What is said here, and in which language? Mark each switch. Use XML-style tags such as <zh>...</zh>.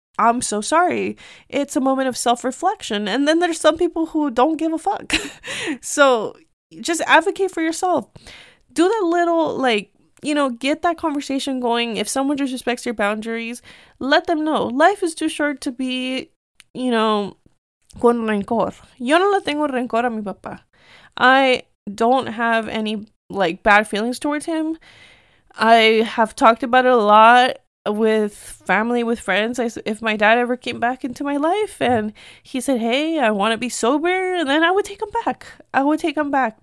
<en>I'm so sorry. It's a moment of self-reflection. And then there's some people who don't give a fuck. So just advocate for yourself. Do that little, like, you know, get that conversation going. If someone disrespects your boundaries, let them know. Life is too short to be, you know,</en> <es>con rencor. Yo no le tengo rencor a mi papá.</es> <en>I don't have any, like, bad feelings towards him. I have talked about it a lot with family, with friends. If my dad ever came back into my life and he said, hey, I want to be sober, then I would take him back. I would take him back.</en>